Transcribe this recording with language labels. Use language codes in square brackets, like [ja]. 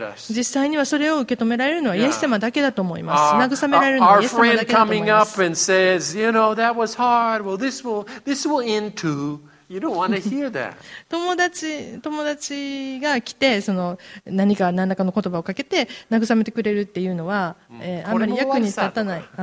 [ja] 実際にはそれを受け止められるのはイエス様だけだと思います。慰められるのはイエス様だけだと思います。 [en] Our friend coming up and says, "You know, that was hard. Well, this will end too." [ja] 友達が来てその何らかの言葉をかけて慰めてくれるっていうのは、あんまり役に立たない。